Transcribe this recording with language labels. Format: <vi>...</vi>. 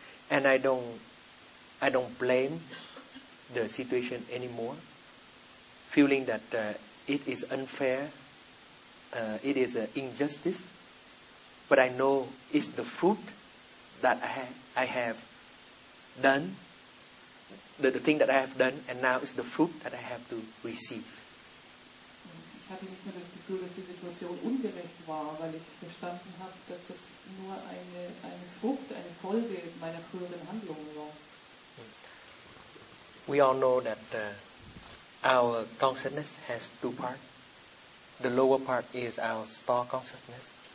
<en>And I don't blame the situation anymore, feeling that it is unfair, it is an injustice, but I know it's the fruit that I have done, the thing that I have done, and now it's the fruit that I have to receive.</en> <de>Ich hatte nicht mehr das Gefühl, dass die Situation ungerecht war, weil ich verstanden habe, dass es nur eine Frucht, eine Folge meiner früheren Handlungen war.</de> <en>We all know that our consciousness has two parts. The lower part is our star consciousness.</en>